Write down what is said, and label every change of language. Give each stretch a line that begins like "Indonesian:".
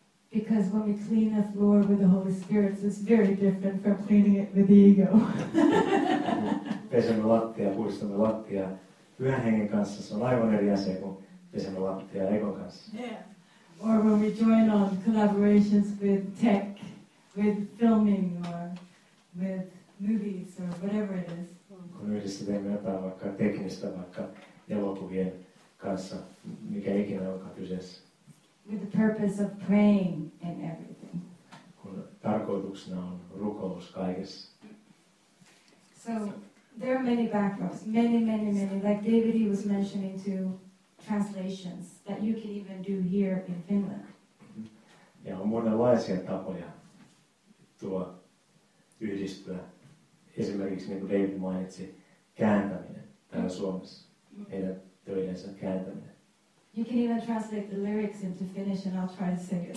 English: Because when we clean the floor with the Holy Spirit, it's very different from cleaning it with the ego.
Finnish: Pesemme lattia, puhdistamme lattia. Pyhän Hengen kanssa se on aivan eri asia kuin pesemme lattia ego kanssa. Yeah.
English: Or when we join on collaborations with tech, with filming or with movies or whatever it is.
Finnish: Kun yhdessä teemme jotain vaikka teknistä, vaikka elokuvien kanssa, mikä ikinä onkaan kyseessä.
English: With the purpose of praying and everything.
Finnish: Kun tarkoituksena on rukous kaikessa.
English: So, there are many backgrounds, many, many, many, like David was mentioning to translations that you can even do here in Finland.
Finnish: Ja on monenlaisia tapoja tuo yhdistyä. Esimerkiksi niin kuin David mainitsi, kääntäminen täällä Suomessa, heidän töidensä kääntäminen.
English: You can even translate the lyrics into Finnish and I'll try to sing it.